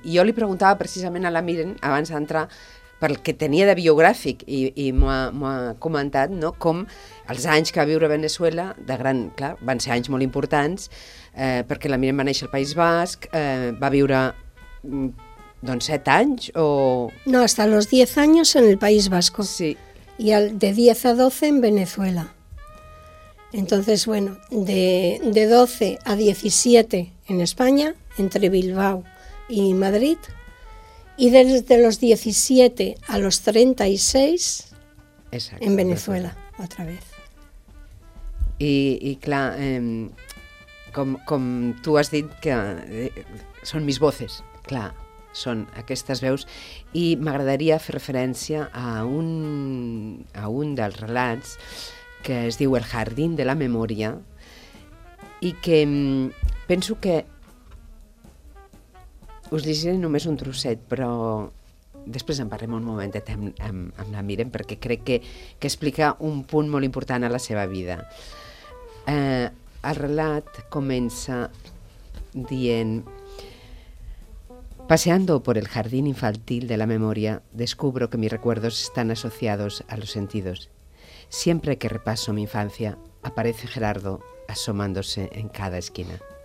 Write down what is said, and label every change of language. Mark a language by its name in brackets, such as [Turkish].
[Catalan] I jo li preguntava precisament a la Miren, abans d'entrar, pel que tenia de biogràfic, i m'ha comentat, no?, com els anys que va viure a Venezuela, de gran, clar, van ser anys molt importants, perquè la Miren va néixer al País Basc, va viure, doncs, 7 anys, o... [Spanish] No, hasta los 10 años en el País Vasco. Sí. Y de 10 a 12 en Venezuela. Entonces, bueno, de 12 a 17 en España, entre Bilbao y Madrid, y desde los 17 a los 36, exacto, en Venezuela, perfecto, otra vez. [Catalan] Y claro, com tú has dit que [Spanish] son mis voces, [Catalan] claro, son aquestes veus, y m'agradaria fer referència a un dels relats que es diu El jardín de la memòria, i que penso que us llegiré només un trosset, però després en parlem un momentet amb la Miren, perquè crec que explica un punt molt important a la seva vida. El relat comença dient: [Spanish] paseando por el jardín infantil de la memoria, descubro que mis recuerdos están asociados a los sentidos. Siempre que repaso mi infancia, aparece Gerardo asomándose en cada esquina.